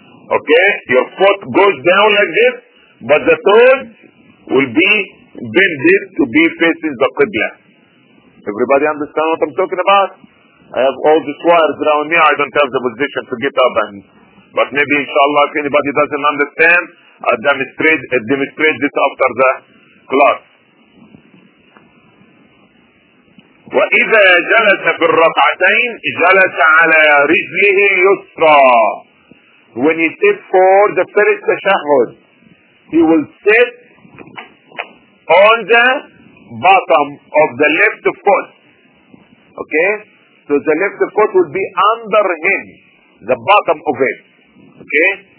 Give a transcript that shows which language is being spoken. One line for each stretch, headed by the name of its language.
English: Okay, your foot goes down like this, but the toes will be bended to be facing the Qibla. Everybody understand what I'm talking about? I have all these wires around me, I don't have the position to get up and... But maybe, inshallah, if anybody doesn't understand, I'll demonstrate this after the class.
Arabic: وإذا جلس بالركعتين جلس على رجله اليسرى.
English: When he sits for the first tashahud, he will sit on the bottom of the left foot. Okay? So the left foot will be under him, the bottom of it. Okay?